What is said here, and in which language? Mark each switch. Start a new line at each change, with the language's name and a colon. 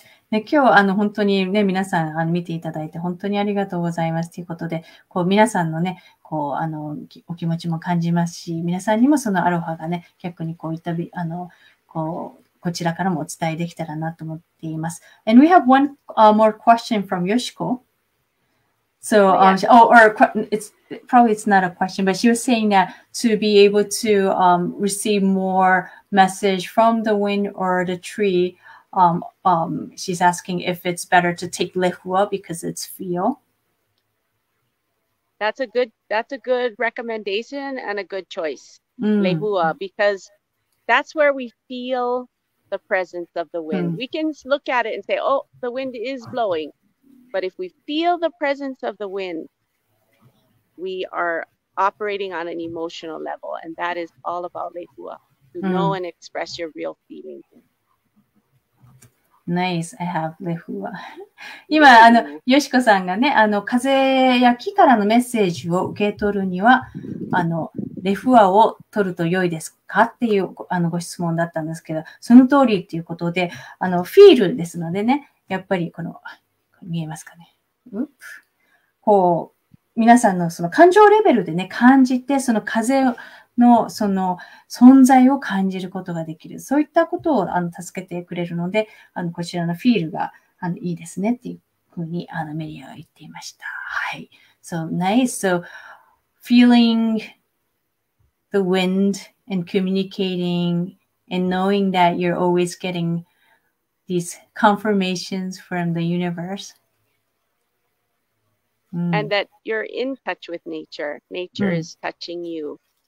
Japanese: ね、今日本当に、ね、皆さん見ていただいて本当にありがとうございますということで、こう皆さんの、ね、こうお気持ちも感じますし、皆さんにもそのアロハが、ね、逆にこういったこちらからもお伝えできたらなと思っています。
English: And we have one、more question from Yoshiko. So, it's probably it's not a question, but she was saying that to be able to, receive more message from the wind or the tree, she's asking if it's better to take lehua because it's feel. That's a good recommendation and a good choice. Lehua, because that's where we feel the presence of the wind. We can look at it and say, oh, the wind is blowing. But if we feel the presence of the wind, we are operating on an emotional level. And that is all about lehua, to know and express your real feeling. Nice, I have lehua.
Japanese: 今、よしこさんがね、風や木からのメッセージを受け取るには、lehuaを取ると良いですかっていうご質問だったんですけど、その通りっていうことで、フィールですのでね、やっぱりこの、見えますかね。こう、皆さんのその感情レベルでね、感じて、その風のその存在を感じることができる。そういったことを助けてくれるので、こちらのフィールがいいですねっていうふうにメリアは言っていました。
English: はい。So nice. So, feeling the wind and communicating and knowing that you're always gettingthese confirmations from the universe. And that you're in touch with nature. Nature is touching you.